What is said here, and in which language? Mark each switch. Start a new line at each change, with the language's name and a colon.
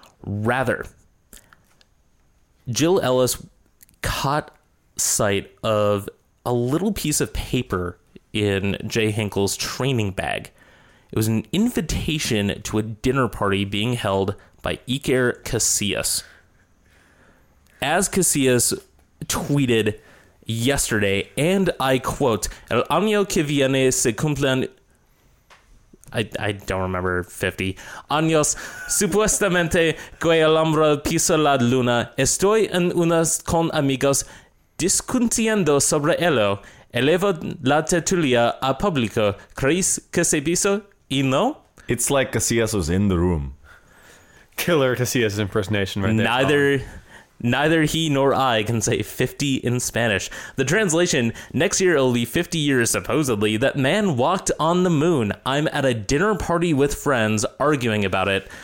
English: Rather, Jill Ellis caught sight of a little piece of paper in Jay Hinkle's training bag. It was an invitation to a dinner party being held by Iker Casillas.
Spanish: As Casillas tweeted yesterday, and I quote, El año que viene se cumplen,
English: I don't remember,
Spanish: 50 años, supuestamente que el hombre pisa la luna, estoy en unas con amigos discutiendo sobre ello, elevo la tertulia a público, ¿crees que se piso y no?
English: It's like Casillas was in the room. Killer Casillas impersonation right there. Neither he nor I can say 50 in Spanish. The translation, next year it'll be 50 years, supposedly, that man walked on the moon. I'm at a dinner party with friends arguing about it.